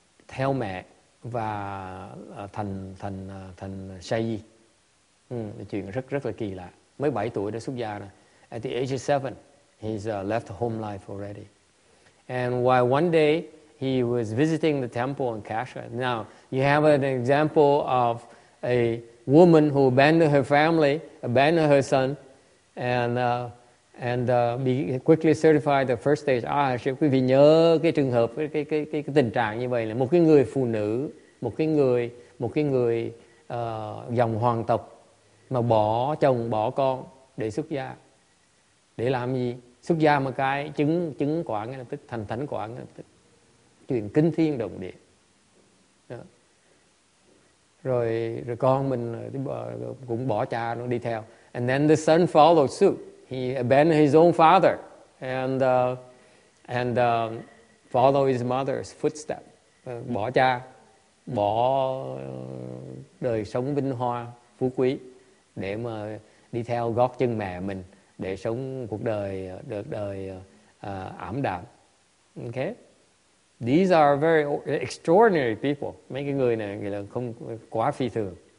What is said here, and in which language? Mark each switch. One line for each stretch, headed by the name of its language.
Vietnamese: theo mẹ và thành thành thành Shayi. Chuyện rất rất là kỳ lạ. Mới 7 tuổi đã xuất gia rồi.
English: At the age of 7, he's left home life already. And while one day he was visiting the temple in Kashi. Now, you have an example of a woman who abandoned her family, abandoned her son, and quickly certified the first stage arahatship.
Vietnamese: Quý vị nhớ cái trường hợp, cái tình trạng như vậy là một cái người phụ nữ, một cái người dòng hoàng tộc mà bỏ chồng, bỏ con để xuất gia. Để làm gì? Xuất gia một cái chứng quả ngay lập tức, thành thánh quả ngay lập tức. Chuyện kinh thiên động địa. Rồi con mình cũng bỏ cha nó đi theo.
English: And then the son followed suit. He abandoned his own father and followed his mother's footstep.
Vietnamese: Bỏ cha, bỏ đời sống vinh hoa, phú quý để mà đi theo gót chân mẹ mình để sống cuộc đời được đời ảm đạm. Okay?
English: These are very extraordinary people.
Vietnamese: Mấy cái người này là không quá phi thường.